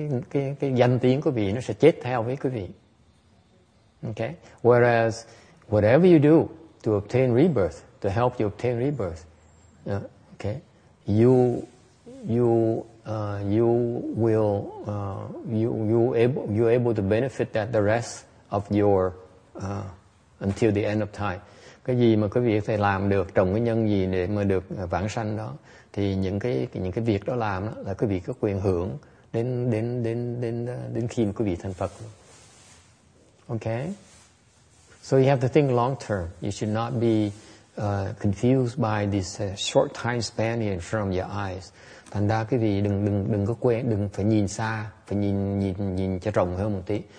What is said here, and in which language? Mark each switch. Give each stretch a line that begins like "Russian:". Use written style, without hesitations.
Vietnamese: Cái danh tiếng quý vị nó sẽ chết theo với quý vị.
English: Okay? Whereas, whatever you do to obtain rebirth, to help you obtain rebirth, okay, you're able to benefit that the rest of your until the end of time.
Vietnamese: Cái gì mà quý vị có thể làm được, trồng cái nhân gì để mà được vãng sanh đó, thì những cái việc đó làm đó, là quý vị có quyền hưởng đến khi mà quý vị thành Phật.
English: Okay, so you have to think long term. You should not be confused by this short time span in front of your eyes.
Vietnamese: Thành ra quý vị đừng có quên, đừng phải nhìn xa, phải nhìn cho rộng hơn một tí.